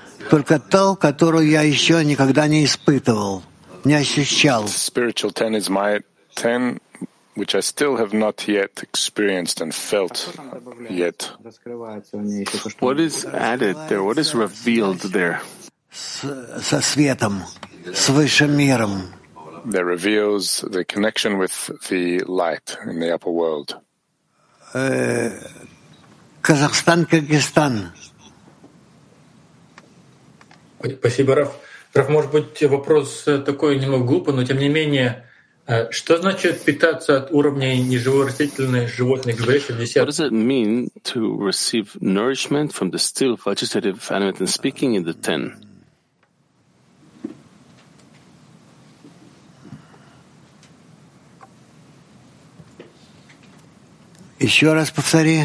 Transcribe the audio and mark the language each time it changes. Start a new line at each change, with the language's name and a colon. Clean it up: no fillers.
Russian: Только то, которую я еще никогда не испытывал, не ощущал.
English: Spiritual ten is my ten, which I still have not yet experienced and felt yet. What is added there? What is revealed there?
Russian: Со светом, с высшим миром.
English: That reveals the connection with the light in the upper world.
Russian: Казахстан, Кыргызстан. Спасибо, Раф. Раф, может быть, вопрос такой немного глупый, но тем не менее, что значит питаться от уровня неживой растительной животной, говоришь, 50?
English: What does it mean to receive nourishment from the still vegetative animate and speaking in the 10?
Russian: Еще раз повтори.